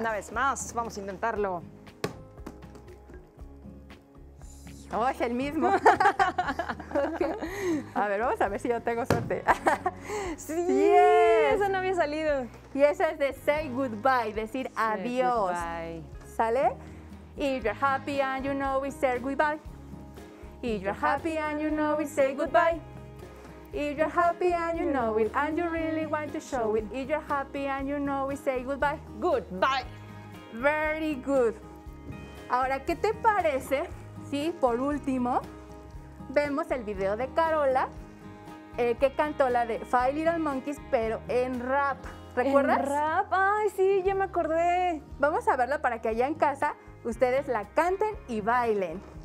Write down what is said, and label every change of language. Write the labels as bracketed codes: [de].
[es] Una vez más. Vamos a intentarlo. Oh, es el mismo. Okay. A ver, vamos a ver si yo tengo suerte. Sí, yes. Eso no había salido. Y esa es de [en] say goodbye, [es] decir [en] say [es] adiós. [en] Goodbye. [es] ¿Sale? [en] If you're happy and you know we say goodbye. If you're happy and you know we say goodbye. If you're happy and you know it and you really want to show it. If you're happy and you know we say goodbye. Goodbye. Very good. [es] Ahora, ¿qué te parece? Sí, por último, vemos el video de Carola, que cantó la de 5 Little Monkeys, pero en rap. ¿Recuerdas? ¿En rap? Ay, sí, ya me acordé. Vamos a verlo para que allá en casa ustedes la canten y bailen.